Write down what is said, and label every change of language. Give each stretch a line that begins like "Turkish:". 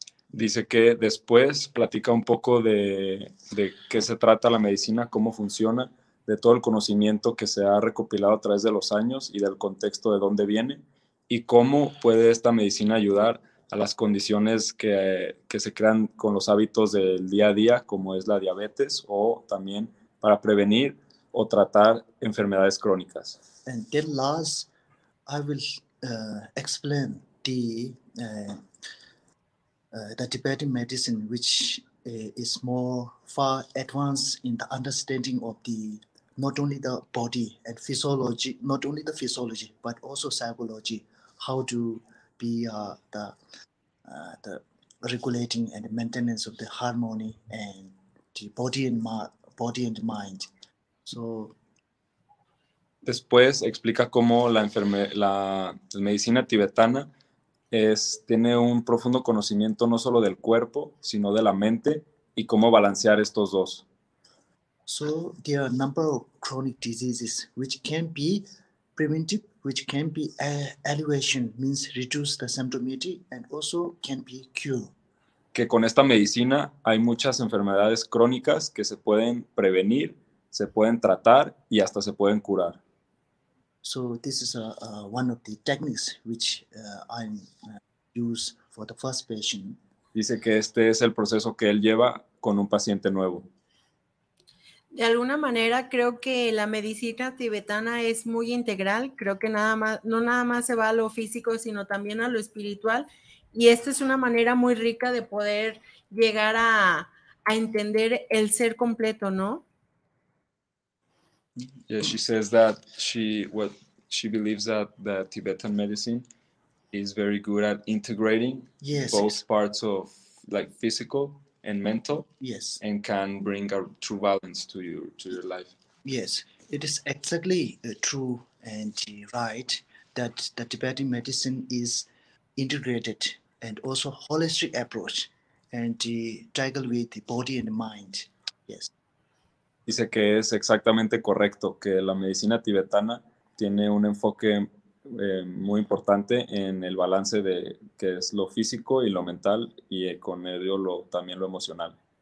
Spanish: dice que después platica un poco de qué se trata la medicina, cómo funciona, de todo el conocimiento que se ha recopilado a través de los años y del contexto de dónde viene y cómo puede esta medicina ayudar a las condiciones que se crean con los hábitos del día a día, como es la diabetes o también para prevenir o tratar enfermedades crónicas.
English: And then last, I will explain the the Tibetan medicine, which is more far advanced in the understanding of the not only the body and physiology, not only the physiology but also psychology, how to be the regulating and maintenance of the harmony and the body and mind. So
Spanish: después explica cómo la medicina tibetana tiene un profundo conocimiento no solo del cuerpo, sino de la mente y cómo balancear estos dos.
English: So there are a number of chronic diseases which can be preventive, which can be alleviation, means reduce the symptomatology, and also can be cure.
Spanish: Que con esta medicina hay muchas enfermedades crónicas que se pueden prevenir se pueden tratar y hasta se pueden curar.
English: So this is one of the techniques which I use for the first patient.
Spanish: Dice que este es el proceso que él lleva con un paciente nuevo. De alguna manera creo que la medicina tibetana es muy integral, creo que no nada más se va a lo físico, sino también a lo espiritual, y esta es una manera muy rica de poder llegar a entender el ser completo, ¿no?
English: Yeah, she says that she believes that the Tibetan medicine is very good at integrating both parts of like physical and mental, yes, and can bring a true balance to your life. Yes, it is exactly true and right that the Tibetan medicine is integrated and also holistic approach and tackle with the body and the mind. Yes.
Spanish: Dice que es exactamente correcto, que la medicina tibetana tiene un enfoque muy importante en el balance de que es lo físico y lo mental y con medio también lo emocional.